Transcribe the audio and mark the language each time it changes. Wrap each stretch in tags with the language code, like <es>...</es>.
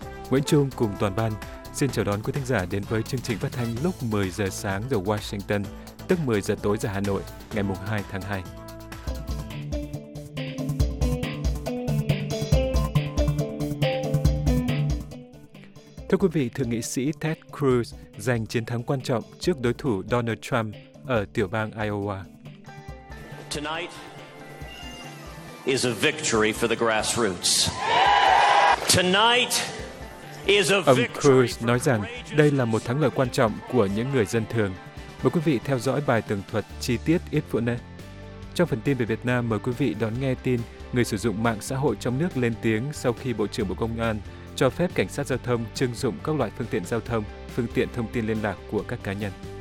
<vi>Nguyễn Trung cùng toàn ban xin chào đón quý thính giả đến với chương trình phát thanh lúc 10 giờ sáng giờ Washington, tức 10 giờ tối giờ Hà Nội, ngày 2 tháng 2. Thưa quý vị, Thượng nghị sĩ Ted Cruz giành chiến thắng quan trọng trước đối thủ Donald Trump ở tiểu bang Iowa.</vi> <en>Tonight is a victory for the grassroots. Tonight is a victory.</en> <vi>Ông Cruz nói rằng đây là một thắng lợi quan trọng của những người dân thường. Mời quý vị theo dõi bài tường thuật chi tiết ít phút nữa. Trong phần tin về Việt Nam, mời quý vị đón nghe tin người sử dụng mạng xã hội trong nước lên tiếng sau khi Bộ trưởng Bộ Công an cho phép cảnh sát giao thông trưng dụng các loại phương tiện giao thông, phương tiện thông tin liên lạc của các cá nhân.</vi>